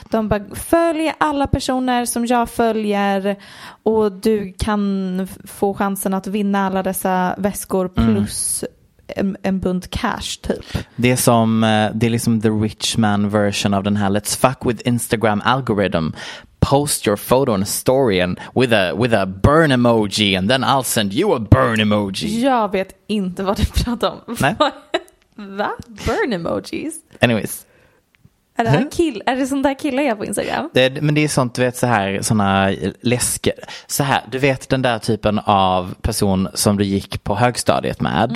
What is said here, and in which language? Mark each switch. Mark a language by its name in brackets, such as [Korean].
[Swedish] De bara, följ alla personer som jag följer och du kan få chansen att vinna alla dessa väskor plus en bunt cash typ. Det är som, det är liksom [English] the rich man version [Swedish] av den här [English] let's fuck with Instagram algorithm. Post your photo in a story and with a burn emoji and then I'll send you a burn emoji. [Swedish] Jag vet inte vad du pratar om. Nej. Va? Burn emojis? [English] Anyways. [Swedish] Är det sånt där killar jag på Instagram? Men det är sånt, du vet, så här, såna läskor. Så här, du vet den där typen av person som du gick på högstadiet med.